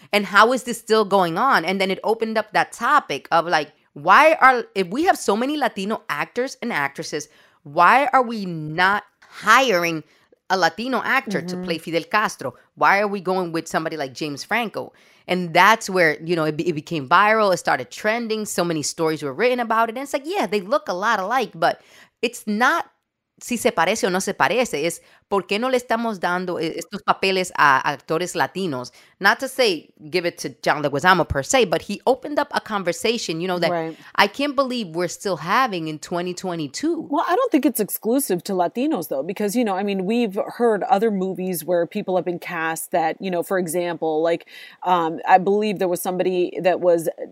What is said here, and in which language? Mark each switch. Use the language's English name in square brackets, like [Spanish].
[English] And how is this still going on? And then it opened up that topic of like, if we have so many Latino actors and actresses, why are we not hiring a Latino actor mm-hmm. to play Fidel Castro? Why are we going with somebody like James Franco? And that's where, you know, it became viral. It started trending. So many stories were written about it. And it's like, yeah, they look a lot alike, but it's not [Spanish] si se parece o no se parece. Es por qué no le estamos dando estos papeles a actores latinos. [English] Not to say give it to John Leguizamo per se, but he opened up a conversation, you know, that right. I can't believe we're still having in 2022. Well, I don't think it's exclusive to Latinos, though, because, you know, I mean, we've heard other movies where people have been cast that, you know, for example, like, I believe there was somebody that was...